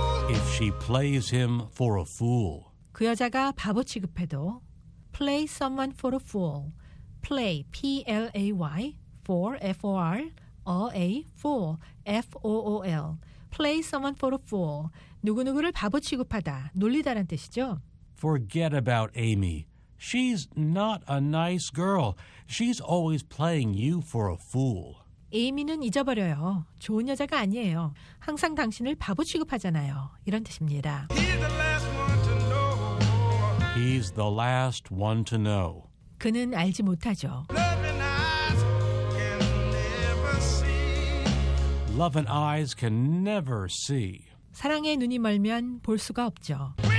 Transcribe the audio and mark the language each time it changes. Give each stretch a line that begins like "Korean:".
English: If she plays him for a fool.
Korean: 그 여자가 바보 취급해도
English: play someone for a fool. play P-L-A-Y for F-O-R A for F-O-O-L play someone for a fool.
Korean: 누구누구를 바보 취급하다, 놀리다란 뜻이죠.
English: Forget about Amy. She's not a nice girl. She's always playing you for a fool.
Korean: 에이미는 잊어버려요. 좋은 여자가 아니에요. 항상 당신을 바보 취급하잖아요. 이런 뜻입니다.
English: He's the last one to know. He's the last one to know.
Korean: 그는 알지 못하죠.
English: Love and eyes can never see. Love and eyes can never see.
Korean: 사랑의 눈이 멀면 볼 수가 없죠.